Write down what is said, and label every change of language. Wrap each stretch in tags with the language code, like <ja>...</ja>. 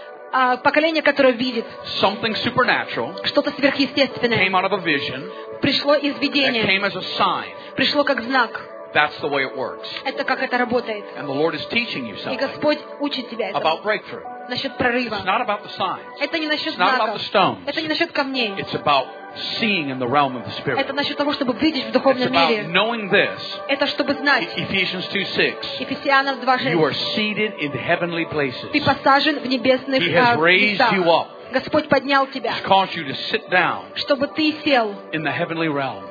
<ru>Поколение, которое видит</ru> <en>something supernatural,</en> <ru>что-то сверхъестественное,</ru> <en>came out of a vision,</en> <ru>пришло из видения,</ru> <en>came as a sign,</en> <ru>пришло как знак.</ru> <en>That's the way it works.</en> <ru>Это как это работает.</ru> <en>And the Lord is teaching you something.</en> <ru>И Господь учит тебя этому.</ru> <en>About breakthrough.</en> <ru>Насчет прорыва.</ru> <en>It's not about the signs.</en> <ru>Это не насчет знаков.</ru> <en>It's not about the stones.</en> <ru>Это не насчет камней.</ru> <en>It's about seeing in the realm of the spirit.</en> <ru>Это насчет того, чтобы видеть в духовном мире.</ru> <en>It's about knowing this.</en> <ru>Это чтобы знать.</ru> <en>Ephesians 2:6.</en> <ru>Ефесянам 2:6.</ru> <en>You are seated in heavenly places.</en> <ru>Ты посажен в небесных местах.</ru> <en>He has raised you up.</en> <ru>Господь поднял тебя.</ru> <en>He's caused you to sit down.</en> <ru>Чтобы ты сел.</ru> <en>In the heavenly realm.</en>